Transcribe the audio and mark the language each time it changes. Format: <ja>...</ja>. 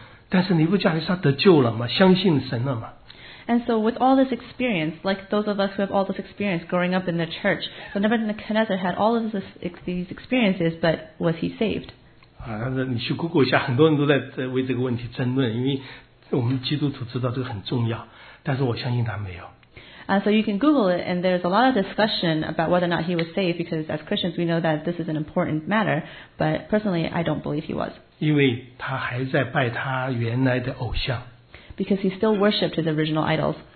<zh>有这么多经历，我们在座的很多人也是，我们在从小在教会长大，我们有多少经历，对不对？我们都应该知道的，就像尼布甲利撒一样的。但是尼布甲利撒得救了吗？相信神了吗？</zh> <en>And so with all this experience, like those of us who have all this experience growing up in the church, so Nebuchadnezzar had all of these experiences, but was he saved?</en> <zh>你去Google一下，很多人都在为这个问题争论，因为我们基督徒知道这个很重要，但是我相信他没有。</zh> <en>So you can Google it, and there's a lot of discussion about whether or not he was saved, because as Christians, we know that this is an important matter, but personally, I don't believe he was.</en> <zh>因为他还在拜他原来的偶像。</zh> <en>Because he still worshipped his original idols.</en>